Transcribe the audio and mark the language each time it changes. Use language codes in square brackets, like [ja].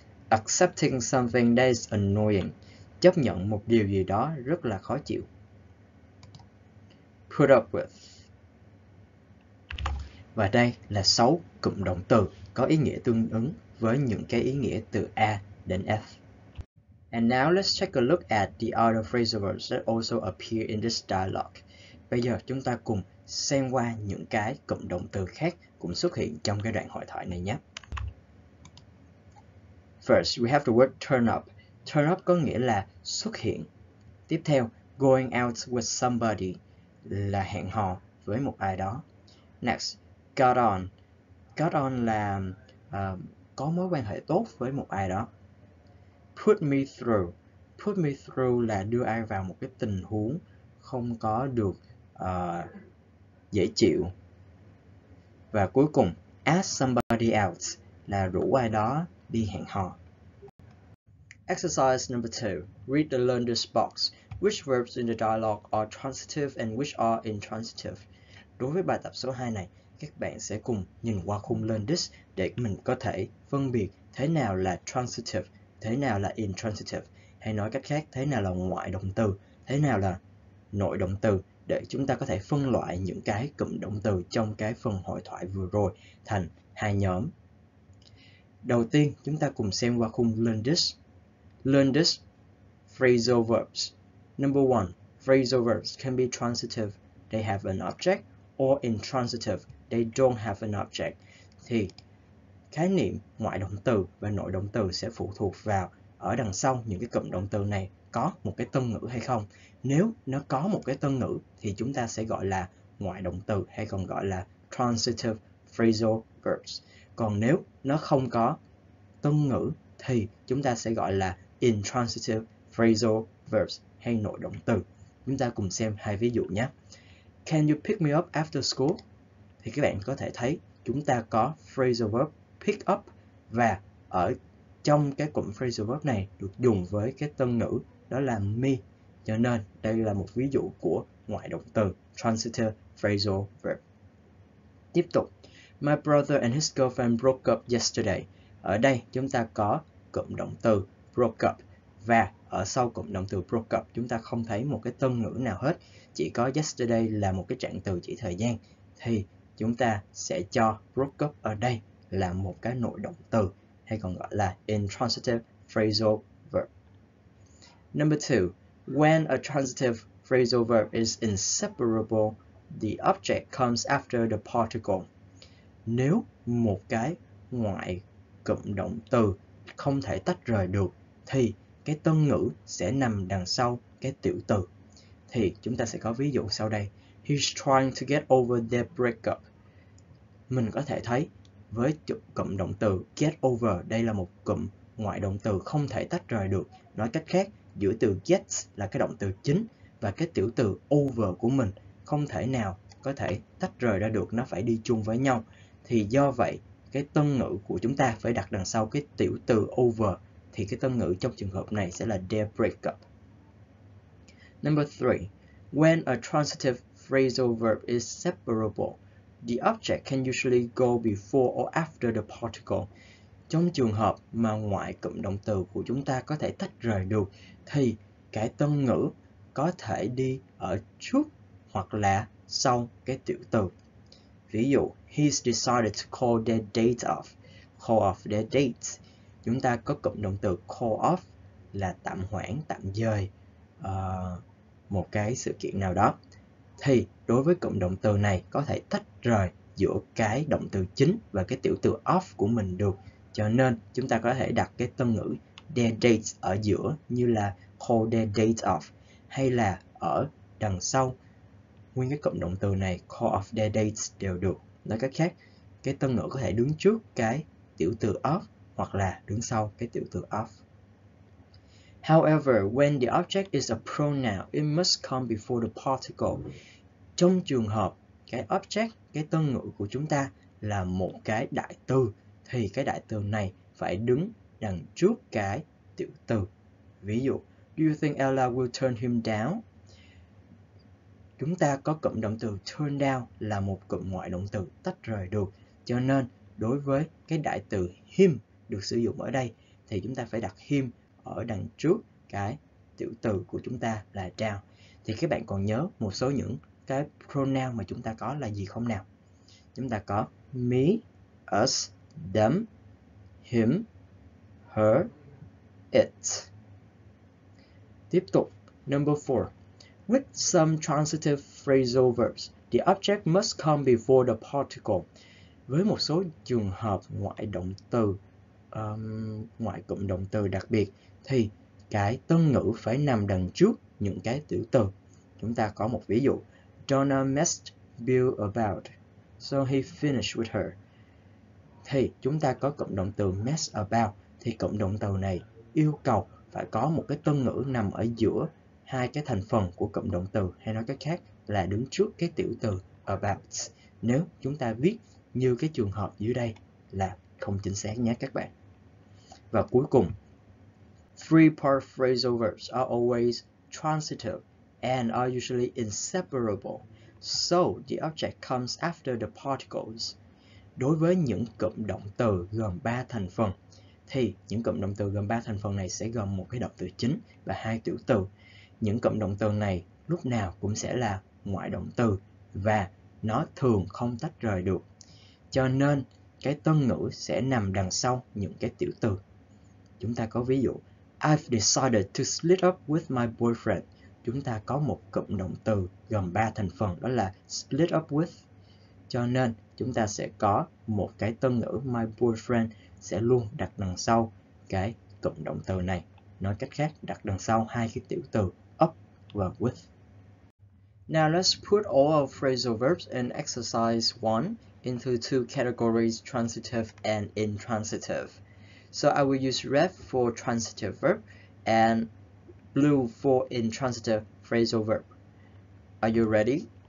[en] Accepting something that is annoying. [vi] Chấp nhận một điều gì đó rất là khó chịu. [en] Put up with. [vi] Và đây là 6 cụm động từ có ý nghĩa tương ứng với những cái ý nghĩa từ A đến F. [en] And now let's take a look at the other phrasal verbs that also appear in this dialogue. [vi] Bây giờ chúng ta cùng xem qua những cái cụm động từ khác cũng xuất hiện trong cái đoạn hội thoại này nhé. [en] First, we have the word turn up. [vi] Turn up có nghĩa là xuất hiện. Tiếp theo, [en] going out with somebody [vi] là hẹn hò với một ai đó. [en] Next, got on. [vi] Got on là có mối quan hệ tốt với một ai đó. [en] Put me through. [vi] Put me through là đưa ai vào một cái tình huống không có được dễ chịu. Và cuối cùng, ask somebody out là rủ ai đó đi hẹn hò. [en] Exercise number 2. Read the learn this box. Which verbs in the dialogue are transitive and which are intransitive? [vi] Đối với bài tập số 2 này, các bạn sẽ cùng nhìn qua khung learn this để mình có thể phân biệt thế nào là transitive, thế nào là intransitive, hay nói cách khác, thế nào là ngoại động từ, thế nào là nội động từ, để chúng ta có thể phân loại những cái cụm động từ trong cái phần hội thoại vừa rồi thành hai nhóm. Đầu tiên, chúng ta cùng xem qua khung learn this. [en] Learn this phrasal verbs. Number 1. Phrasal verbs can be transitive. They have an object. Or intransitive. They don't have an object. [vi] thì khái niệm ngoại động từ và nội động từ sẽ phụ thuộc vào ở đằng sau những cái cụm động từ này có một cái tân ngữ hay không. Nếu nó có một cái tân ngữ thì chúng ta sẽ gọi là ngoại động từ hay còn gọi là transitive phrasal verbs. Còn nếu nó không có tân ngữ thì chúng ta sẽ gọi là intransitive phrasal verbs hay nội động từ. Chúng ta cùng xem hai ví dụ nhé. [en] Can you pick me up after school? [vi] Thì các bạn có thể thấy chúng ta có phrasal verb pick up và ở trong cái cụm phrasal verb này được dùng với cái tân ngữ đó là me. Cho nên đây là một ví dụ của ngoại động từ transitive phrasal verb. Tiếp tục. [en] My brother and his girlfriend broke up yesterday. [vi] Ở đây chúng ta có cụm động từ broke up và ở sau cụm động từ broke up chúng ta không thấy một cái tân ngữ nào hết. Chỉ có yesterday là một cái trạng từ chỉ thời gian. Thì chúng ta sẽ cho broke up ở đây là một cái nội động từ hay còn gọi là intransitive phrasal verb. [en] Number two, when a transitive phrasal verb is inseparable, the object comes after the particle. [vi] Nếu một cái ngoại cụm động từ không thể tách rời được thì cái tân ngữ sẽ nằm đằng sau cái tiểu từ. Thì chúng ta sẽ có ví dụ sau đây. [en] He's trying to get over their breakup. [vi] Mình có thể thấy với cụm động từ get over, đây là một cụm ngoại động từ không thể tách rời được. Nói cách khác, giữa từ get là cái động từ chính và cái tiểu từ over của mình không thể nào có thể tách rời ra được, nó phải đi chung với nhau. Thì do vậy, cái tân ngữ của chúng ta phải đặt đằng sau cái tiểu từ over, thì cái tân ngữ trong trường hợp này sẽ là their breakup. [en] Number three, when a transitive phrasal verb is separable, the object can usually go before or after the particle. [vi] Trong trường hợp mà ngoại cụm động từ của chúng ta có thể tách rời được, thì cái tân ngữ có thể đi ở trước hoặc là sau cái tiểu từ. Ví dụ, [en] he's decided to call their date off. Call off their date. [vi] Chúng ta có cụm động từ call off là tạm hoãn, tạm dời một cái sự kiện nào đó. Thì đối với cụm động từ này có thể tách rời giữa cái động từ chính và cái tiểu từ off của mình được. Cho nên chúng ta có thể đặt cái tân ngữ their date ở giữa như là call their date off hay là ở đằng sau nguyên cái cụm động từ này call off their dates đều được. Nói cách khác, cái tân ngữ có thể đứng trước cái tiểu từ off hoặc là đứng sau cái tiểu từ off. [en] However, when the object is a pronoun, it must come before the particle. [vi] Trong trường hợp cái object, cái tân ngữ của chúng ta là một cái đại từ thì cái đại từ này phải đứng đằng trước cái tiểu từ. Ví dụ, [en] do you think Ella will turn him down? [vi] Chúng ta có cụm động từ turn down là một cụm ngoại động từ tách rời được. Cho nên, đối với cái đại từ him được sử dụng ở đây, thì chúng ta phải đặt him ở đằng trước cái tiểu từ của chúng ta là down. Thì các bạn còn nhớ một số những cái pronoun mà chúng ta có là gì không nào? Chúng ta có me, us, them, him, her, it. Tiếp tục, [en] number four. With some transitive phrasal verbs, the object must come before the particle. [vi] Với một số trường hợp ngoại động từ, ngoại cụm động từ đặc biệt, thì cái tân ngữ phải nằm đằng trước những cái tiểu từ. Chúng ta có một ví dụ. [en] Donna messed Bill about, so he finished with her. [vi] Thì chúng ta có cụm động từ mess about, thì cụm động từ này yêu cầu phải có một cái tân ngữ nằm ở giữa hai cái thành phần của cụm động từ, hay nói cách khác là đứng trước cái tiểu từ about. Nếu chúng ta viết như cái trường hợp dưới đây là không chính xác nhé các bạn. Và cuối cùng, [en] three part phrasal verbs are always transitive and are usually inseparable, so the object comes after the particles. [vi] Đối với những cụm động từ gồm ba thành phần thì những cụm động từ gồm ba thành phần này sẽ gồm một cái động từ chính và hai tiểu từ. Những cụm động từ này lúc nào cũng sẽ là ngoại động từ và nó thường không tách rời được. Cho nên, cái tân ngữ sẽ nằm đằng sau những cái tiểu từ. Chúng ta có ví dụ, [en] I've decided to split up with my boyfriend. [vi] Chúng ta có một cụm động từ gồm ba thành phần, đó là split up with. Cho nên chúng ta sẽ có một cái tân ngữ my boyfriend sẽ luôn đặt đằng sau cái cụm động từ này. Nói cách khác, đặt đằng sau hai cái tiểu từ up và with. [en] Now let's put all our phrasal verbs in exercise 1 into two categories, transitive and intransitive. So I will use red for transitive verb and blue for intransitive phrasal verb. Are you ready?